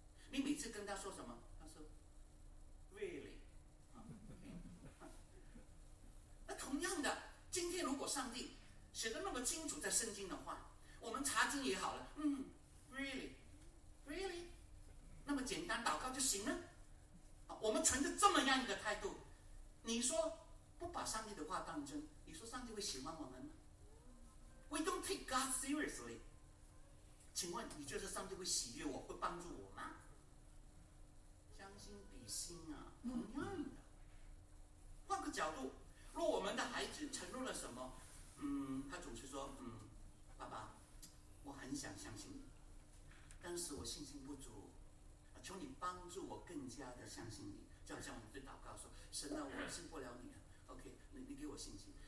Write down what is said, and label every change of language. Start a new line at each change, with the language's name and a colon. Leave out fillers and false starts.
Chinese: 你每次跟他说什么，他说 really、那同样的，今天如果上帝写得那么清楚在圣经的话，我们查经也好了，really那么简单，祷告就行了。我们存着这么样一个态度，你说不把上帝的话当真，你说上帝会喜欢我们吗？
English: We don't take God seriously。
Chinese: 请问你觉得上帝会喜悦我，会帮助我吗？将心比心啊，同样的，换个角度，若我们的孩子承诺了什么，他总是说，爸爸，我很想相信你，但是我信心不足，求你帮助我更加的相信你，就好像我们对祷告说，神啊，我信不了你啊， OK， 你给我信心。